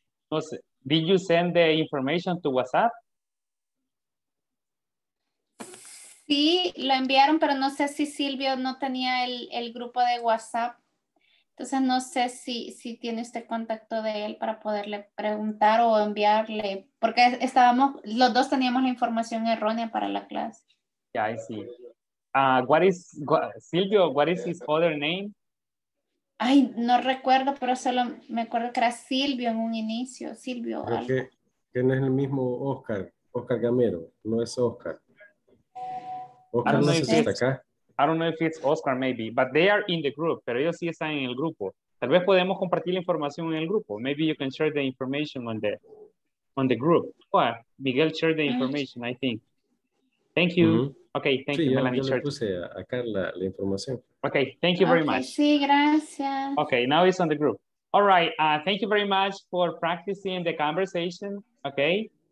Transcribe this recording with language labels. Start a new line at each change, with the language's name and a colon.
Spanish: No sé,
English: did you send the information to WhatsApp?
Spanish: Sí, lo enviaron, pero no sé si Silvio no tenía el grupo de WhatsApp. Entonces, no sé si tiene usted contacto de él para poderle preguntar o enviarle, porque estábamos, los dos teníamos la información errónea para la clase.
English: Yeah, I see. What is his other name?
Spanish: Ay, no recuerdo, pero solo me acuerdo que era Silvio en un inicio. Silvio. Que no es el mismo Oscar Gamero, no es Oscar. Oscar no es acá.
English: I don't know if it's Oscar, maybe, but they are in the group.
Spanish: Pero ellos sí están en el grupo. Tal vez podemos compartir la información en el grupo.
English: Maybe you can share the information on the group. Well, Miguel, share the information, I think. Thank you. Mm-hmm. Okay, thank
Spanish: sí,
English: you, Melanie.
Spanish: Yo le puse a Carla la información.
English: Okay, thank you very much.
Spanish: Sí, gracias.
English: Okay, now it's on the group. All right, thank you very much for practicing the conversation, okay?